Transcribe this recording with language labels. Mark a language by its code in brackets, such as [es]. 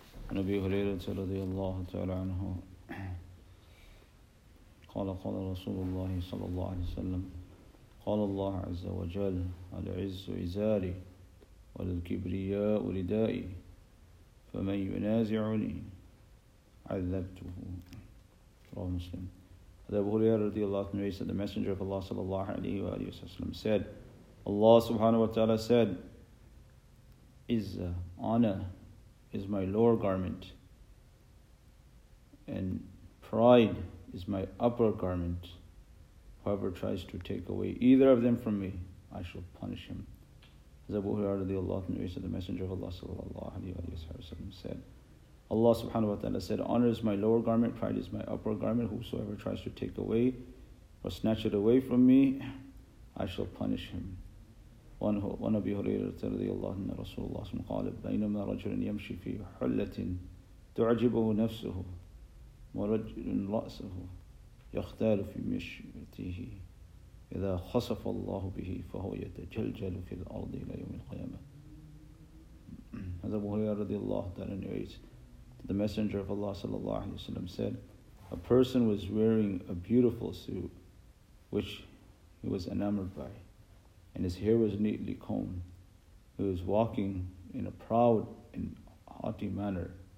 [ar] عن أبي هريرة رضي الله تعالى عنه قال قال رسول الله صلى الله عليه وسلم قال الله عز وجل العز إزاري والكبرياء ردائي فمن ينازعني عذبته. رواه مسلم. عن أبي هريرة رضي الله عنه [en] said the messenger of Allah صلى الله عليه وسلم said Allah سبحانه وتعالى said Izzah, honor, is my lower garment, and pride is my upper garment. Whoever tries to take away either of them from me, I shall punish him. As Abu Hurairah radiallahu anhu said, the Messenger of Allah sallallahu alaihi wasallam said, Allah subhanahu wa taala said, honor is my lower garment, pride is my upper garment. Whosoever tries to take away or snatch it away from me, I shall punish him. [ar] وعن أبي هريرة رضي الله عنه رسول الله صلى الله عليه وسلم قال بينما رجل يمشي في حلة تعجبه نفسه ورجل رأسه يختال في مشيته إذا خصف الله به فهو يتجلجل في الأرض إلى يوم القيامة. هذا أبو هريرة رضي الله عنه [en] narrates the messenger of Allah صلى الله عليه وسلم said a person was wearing a beautiful suit which he was enamored by. And his hair was neatly combed. He was walking in a proud and haughty manner.